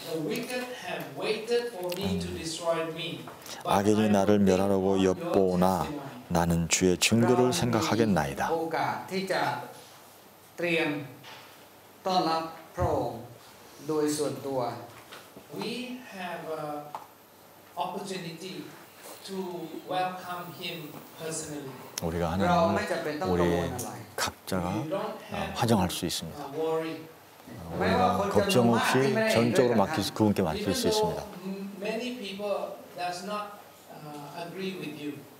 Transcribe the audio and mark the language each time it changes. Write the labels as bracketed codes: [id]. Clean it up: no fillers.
[en] The wicked have waited for me to destroy me. [ko] 악인이 나를 멸하려고 엿보나 나는 주의 증거를 생각하겠나이다. 오가 티자 트림 떠납 프로 도이 순도아. [en] We have an opportunity to welcome him personally. [ko] 우리가 하나님을 우리 각자가 환영할 수 있습니다. 우리가 걱정 없이 전적으로 맡길 수, 그분께 맡길 수 있습니다. [en] Many people does not agree with you.